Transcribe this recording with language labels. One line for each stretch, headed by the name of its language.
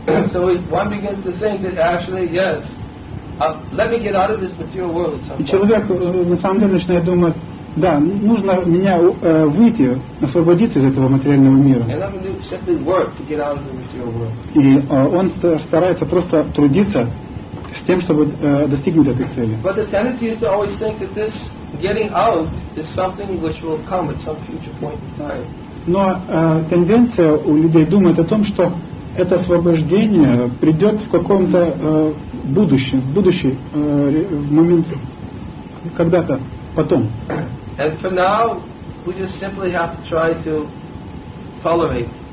English: So one begins to think that actually, yes, let me get out of this material world at some point.
Russian: И человек на самом деле начинает думать, да, нужно меня выйти, освободиться из этого материального мира.
English: And I'm going to simply work to get out of the material world.
Russian: И он старается просто трудиться с тем, чтобы достигнуть этой цели.
English: But the tendency is to always think that this getting out is something which will come at some future point in time.
Russian: Но тенденция у людей думать о том, что это освобождение придет в каком-то будущем, будущий момент, когда-то, потом.
English: And for now, we just simply have to try to tolerate.